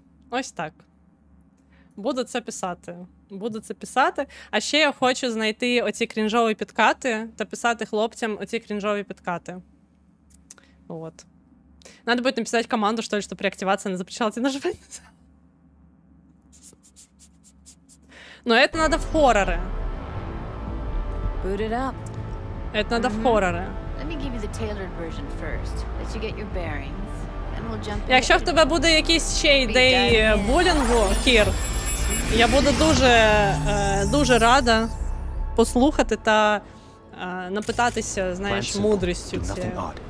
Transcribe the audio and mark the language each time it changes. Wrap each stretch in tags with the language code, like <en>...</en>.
<uk>Ось так. Буду це писати. А ще я хочу знайти оці крінжові підкати та писати хлопцям оці крінжові підкати. От.</uk> <ru>Надо будет написать команду, что ли, чтобы реактивация не запрещала тебе нажимать. Но это надо в хорроры.</ru> <en>Boot it up.</en> <ru>Это надо в хорроры.</ru> <en>Let me give you the tailored version first. Let you get your bearings. Then we'll jump in.</en> <uk>Якщо в тебе буде якийсь ще ідеї булінгу, Кір, я буду дуже рада послухати та напитатися, знаєш, мудрістю цією.</uk>